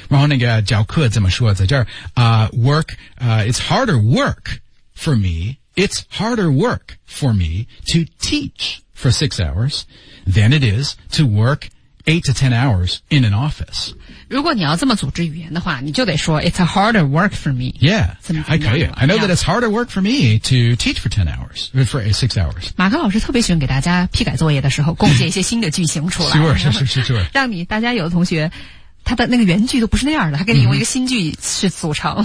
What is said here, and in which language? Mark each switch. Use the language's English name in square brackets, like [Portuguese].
[Chinese] 然后那个教课怎么说在这儿。 [English] Work, it's harder work for me. It's harder work for me to teach for 6 hours than it is to work 8 to 10 hours in an office. [Chinese] 如果你要这么组织语言的话，你就得说 [English] It's a harder work for me. [Chinese] Yeah, 还可以。 [English] I know that it's harder work for me to teach for 10 hours, for 6 hours. [Chinese] 马克老师特别喜欢给大家批改作业的时候贡献一些新的句型出来，是是是是，让你大家有的同学。他的那个原句都不是那样的，他给你用一个新句去组成。